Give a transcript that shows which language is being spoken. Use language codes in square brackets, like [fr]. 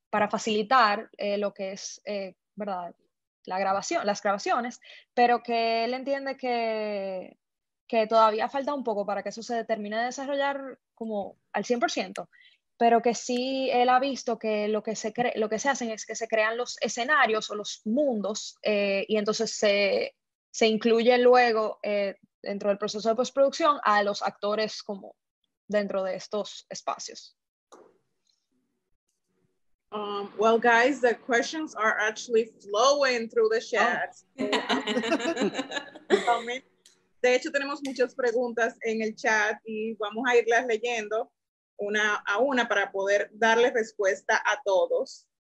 [es] facilitar lo que es, ¿verdad?, la grabación, las grabaciones, pero que él entiende que todavía falta un poco para que eso se termine de desarrollar como al 100%, pero que sí él ha visto que lo que se hacen es que se crean los escenarios o los mundos y entonces se incluye luego dentro del proceso de postproducción a los actores como dentro de estos espacios. [en] Well, guys, the questions are actually flowing through the chat. Oh. [es] De hecho, tenemos muchas preguntas en el chat y vamos a irlas leyendo una a una para poder darle respuesta a todos.